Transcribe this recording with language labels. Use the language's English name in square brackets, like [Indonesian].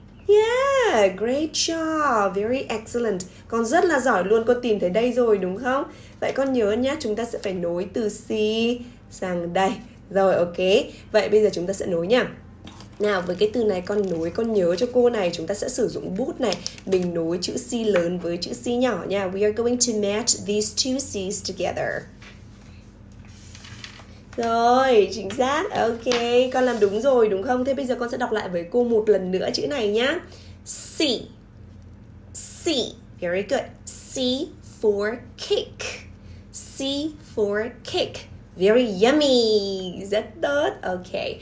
[English] Yeah, great job, very excellent. [Vietnamese] Con rất là giỏi luôn, con tìm thấy đây rồi đúng không? Vậy con nhớ nhé, chúng ta sẽ phải nối từ C sang đây. Rồi, ok. Vậy bây giờ chúng ta sẽ nối nhé. Nào, với cái từ này con nối, con nhớ cho cô này, chúng ta sẽ sử dụng bút này. Mình nối chữ C lớn với chữ C nhỏ nha. [English] We are going to match these two C's together. [Vietnamese] Rồi, chính xác, ok. Con làm đúng rồi, đúng không? Thế bây giờ con sẽ đọc lại với cô một lần nữa chữ này nhá. [English] C. C, very good. C for cake. C for cake. Very yummy, [Vietnamese] rất tốt, [English] ok.